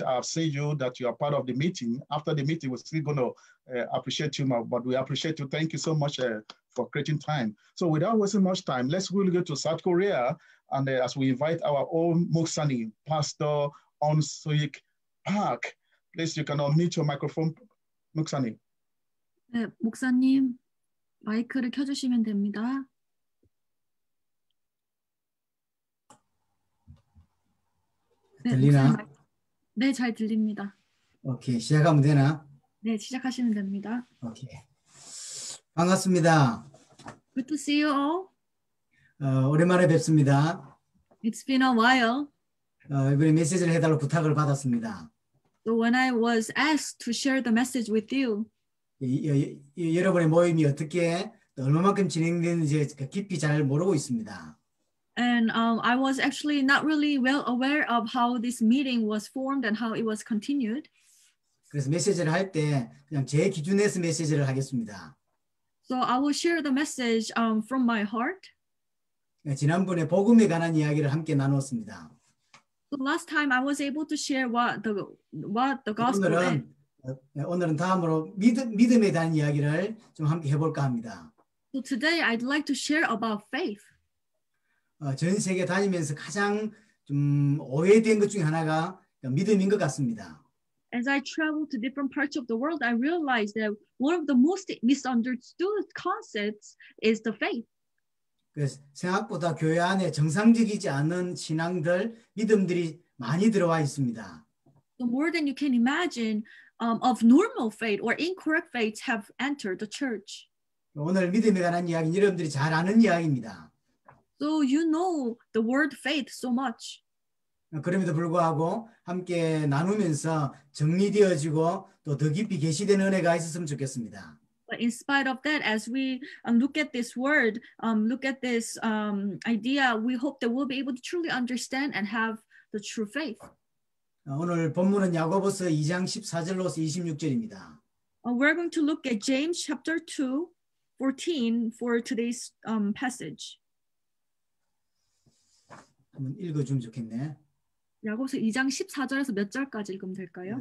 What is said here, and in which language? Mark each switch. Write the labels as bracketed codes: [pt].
[en] I've seen you that you are part of the meeting. After the meeting, we're still going to appreciate you, but we appreciate you. Thank you so much for creating time. So without wasting much time, let's really go to South Korea. And as we invite our own Moksani, Pastor Hyunsik Park, please, you can unmute your microphone, Moksani. [ko] 네, 목사님, 마이크를 켜주시면 됩니다. [en] Delina. [ko] 네, 잘 들립니다. Okay, 시작하면 되나? 네, 시작하시면 됩니다. Okay. 반갑습니다. [en] Good to see you all. [ko] 오랜만에 뵙습니다. [en] It's been a while. [ko] 이번에 메시지를 해달라고 부탁을 받았습니다. [en] So when I was asked to share the message with you. [ko] 여러분의 모임이 어떻게 얼마만큼 진행되는지 깊이 잘 모르고 있습니다. [en] And I was actually not really well aware of how this meeting was formed and how it was continued. [ko] 그래서 메시지를 할 때 그냥 제 기준에서 메시지를 하겠습니다. [en] So I will share the message from my heart. [ko] 지난번에 복음에 관한 이야기를 함께 나누었습니다. [en] So last time I was able to share what the gospel is. [ko] 오늘은 다음으로 믿음에 대한 이야기를 좀 함께 해볼까 합니다. [en] So today I'd like to share about faith. [ko] 전 세계 다니면서 가장 좀 오해된 것 중에 하나가 믿음인 것 같습니다. [en] As I travel to different parts of the world, I realize that one of the most misunderstood concepts is the faith. [ko] 그래서 생각보다 교회 안에 정상적이지 않은 신앙들, 믿음들이 많이 들어와 있습니다. [en] So more than you can imagine. Of normal faith or incorrect faiths have entered the church. [ko] 오늘 믿음에 관한 이야기는 여러분들이 잘 아는 이야기입니다. [en] So you know the word faith so much. [ko] 그럼에도 불구하고 함께 나누면서 정리되어지고 또 더 깊이 계시된 은혜가 있었으면 좋겠습니다. [en] But in spite of that, as we look at this word, look at this idea, we hope that we'll be able to truly understand and have the true faith. [ko] 오늘 본문은 야고보서 2장 14절로서 26절입니다. [en] We're going to look at James chapter 2, 14 for today's passage. [ko] 한번 읽어주면 좋겠네. 야고보서 2장 14절에서 몇 절까지 읽으면 될까요?